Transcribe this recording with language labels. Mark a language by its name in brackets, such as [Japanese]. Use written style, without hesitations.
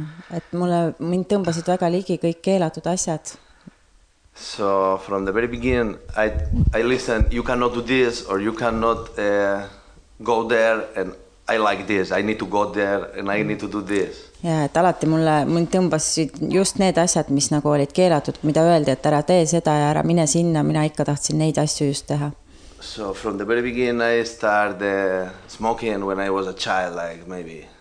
[Estonian] et mulle mind tõmbasid väga ligi kõik keelatud asjad. [English] So from the very beginning I listened you cannot do this or you cannot go there and I like this, I need to go there and I need to do this. [Estonian] Ja et alati mul tõmbasid just need asjad, mis nagu olid keelatud, mida öeldi, et ära tee seda ja ära mine sinna, mina ikka tahtsin neid asju just teha. [English] So from the very beginning I started smoking when I was a child, like maybe.